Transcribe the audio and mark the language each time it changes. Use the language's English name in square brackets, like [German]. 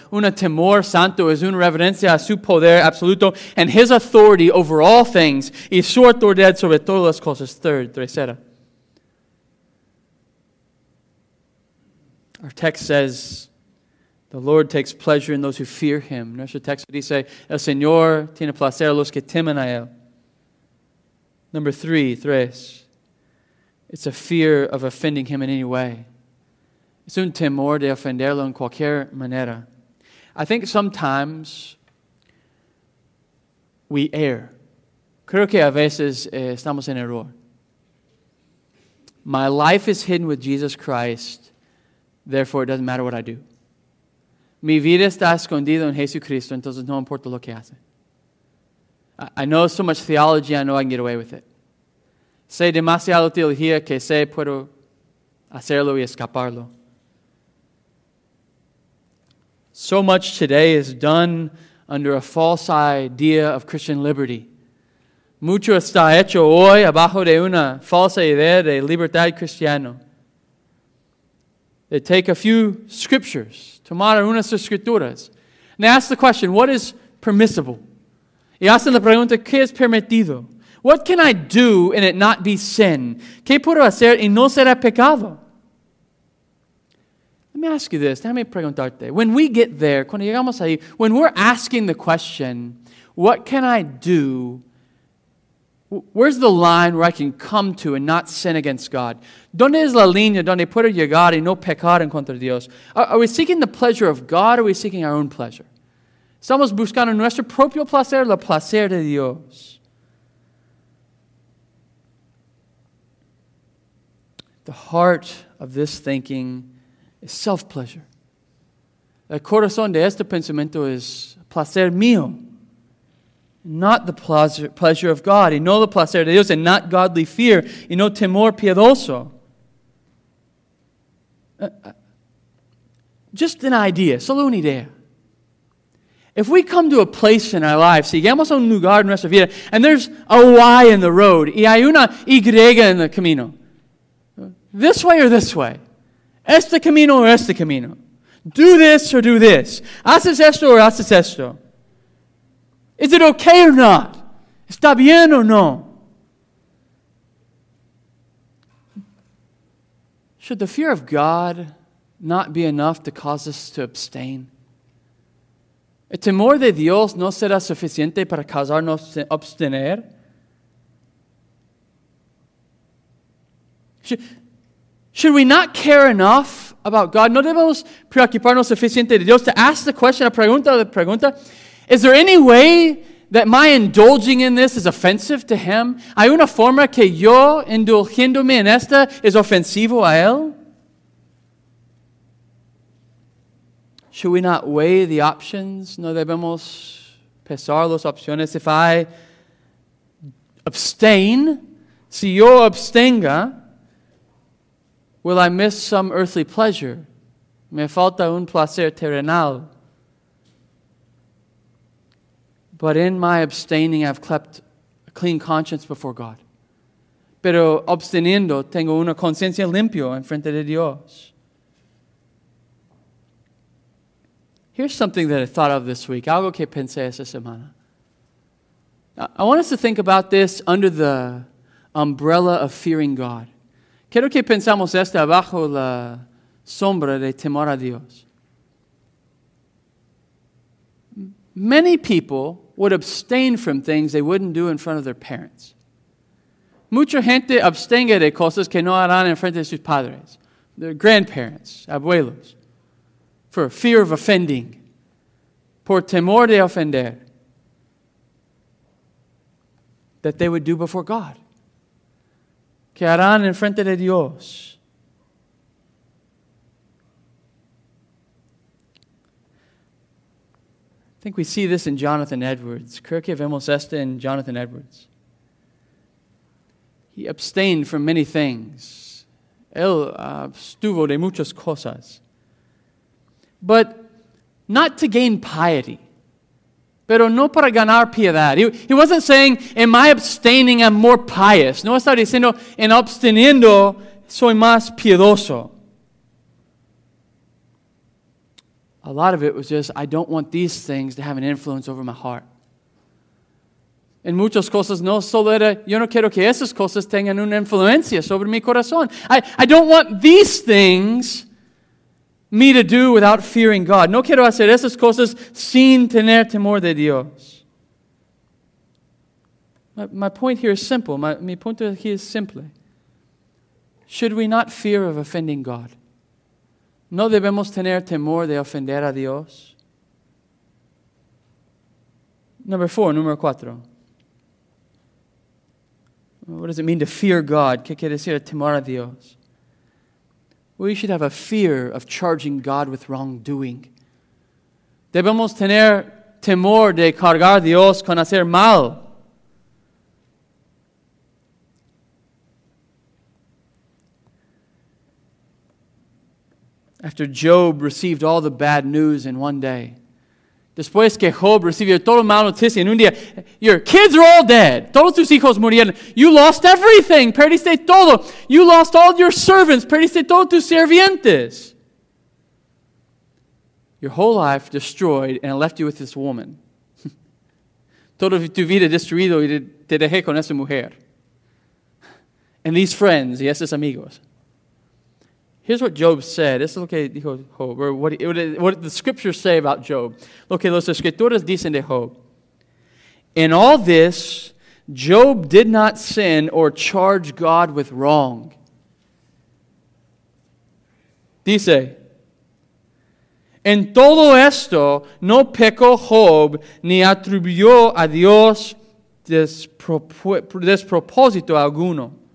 [Spanish] Una temor santo es una reverencia a su poder absoluto [English] and His authority over all things. [Spanish] Y su autoridad sobre todas las cosas. [English] Third, [Spanish] tercera. [English] Our text says, the Lord takes pleasure in those who fear Him. [Spanish] Nuestro texto dice, el Señor tiene placer a los que temen a Él. [English] Number three, [Spanish] tres. [English] It's a fear of offending Him in any way. [Spanish] Es un temor de ofenderlo en cualquier manera. [English] I think sometimes we err. [Spanish] Creo que a veces estamos en error. [English] My life is hidden with Jesus Christ, therefore it doesn't matter what I do. [Spanish] Mi vida está escondida en Jesucristo, entonces no importa lo que hace. [English] I know so much theology, I know I can get away with it. [Spanish] Sé demasiado teología que sé puedo hacerlo y escaparlo. [English] So much today is done under a false idea of Christian liberty. [Spanish] Mucho está hecho hoy abajo de una falsa idea de libertad cristiana. [English] They take a few scriptures, [Spanish] tomar unas escrituras, [English] and they ask the question, what is permissible? [Spanish] Y hacen la pregunta, ¿qué es permitido? [English] What can I do and it not be sin? [Spanish] ¿Qué puedo hacer y no será pecado? [English] Let me ask you this. [Spanish] Déjame preguntarte. [English] When we get there, [Spanish] cuando llegamos ahí, [English] when we're asking the question, what can I do Where's the line where I can come to and not sin against God? [Spanish] ¿Dónde es la línea donde puedo llegar y no pecar en contra de Dios? [English] Are we seeking the pleasure of God or are we seeking our own pleasure? [Spanish] ¿Estamos buscando nuestro propio placer o el placer de Dios? [English] The heart of this thinking is self-pleasure. [Spanish] El corazón de este pensamiento es placer mío. [English] Not the pleasure of God, [Spanish] y no el placer de Dios, [English] and not godly fear, [Spanish] y no temor piadoso. [English] Just an idea, [Spanish] solo una idea. [English] If we come to a place in our lives, [Spanish] si llegamos a un lugar en nuestra vida, [English] and there's a Y in the road, [Spanish] y hay una Y en el camino, [English] this way or this way, [Spanish] este camino [English] or [Spanish] este camino, [English] do this or do this, [Spanish] haces esto [English] or [Spanish] haces esto, [English] is it okay or not? [Spanish] ¿Está bien o no? [English] Should the fear of God not be enough to cause us to abstain? [Spanish] ¿El temor de Dios no será suficiente para causarnos abstener? [English] Should we not care enough about God? [Spanish] ¿No debemos preocuparnos suficiente de Dios [English] to ask the question, [Spanish] la pregunta? [English] Is there any way that my indulging in this is offensive to him? [Spanish] ¿Hay una forma que yo indulgiéndome en esta es ofensivo a él? [English] Should we not weigh the options? [Spanish] ¿No debemos pesar las opciones? [English] If I abstain, [Spanish] si yo abstenga, [English] will I miss some earthly pleasure? [Spanish] ¿Me falta un placer terrenal? [English] But in my abstaining, I've kept a clean conscience before God. [Spanish] Pero absteniendo, tengo una conciencia limpia en frente de Dios. [English] Here's something that I thought of this week. [Spanish] Algo que pensé esta semana. [English] I want us to think about this under the umbrella of fearing God. [Spanish] Quiero que pensamos esto bajo la sombra de temor a Dios. [English] Many people would abstain from things they wouldn't do in front of their parents. [Spanish] Mucha gente abstenga de cosas que no harán en frente de sus padres, [English] their grandparents, [Spanish] abuelos, [English] for fear of offending, [Spanish] por temor de ofender, that they would do before God, que harán en frente de Dios. [English] I think we see this in Jonathan Edwards. [Spanish] Creo que vemos esto en Jonathan Edwards. [English] He abstained from many things. [Spanish] Él abstuvo de muchas cosas. [English] But not to gain piety. [Spanish] Pero no para ganar piedad. [English] He wasn't saying, in my abstaining, I'm more pious. [Spanish] No está diciendo, en absteniendo, soy más piedoso. [English] A lot of it was just, I don't want these things to have an influence over my heart. [Spanish] En muchas cosas, no solo era, yo no quiero que esas cosas tengan una influencia sobre mi corazón. [English] I don't want these things me to do without fearing God. [Spanish] No quiero hacer esas cosas sin tener temor de Dios. [English] My point here is simple. [Spanish] Mi punto aquí es simple. [English] Should we not fear of offending God? [Spanish] ¿No debemos tener temor de ofender a Dios? Número cuatro. [English] What does it mean to fear God? [Spanish] ¿Qué quiere decir temor a Dios? [English] We should have a fear of charging God with wrongdoing. [Spanish] Debemos tener temor de cargar a Dios con hacer mal. [English] After Job received all the bad news in one day. [Spanish] Después que Job recibió toda la mala noticia en un día. [English] Your kids are all dead. [Spanish] Todos tus hijos murieron. [English] You lost everything. [Spanish] Perdiste todo. [English] You lost all your servants. [Spanish] Perdiste todos tus sirvientes. [English] Your whole life destroyed and left you with this woman. [Spanish] Todo tu vida destruido y te dejé con esa mujer. [English] And these friends [Spanish] y esos amigos. [English] Here's what Job said. This is [Spanish] lo que dijo Job. [English] Or what the scriptures say about Job. [Spanish] Lo que los escrituras dicen de Job. [English] In all this, Job did not sin or charge God with wrong. [Spanish] Dice, en todo esto no pecó Job ni atribuyó a Dios despropósito alguno.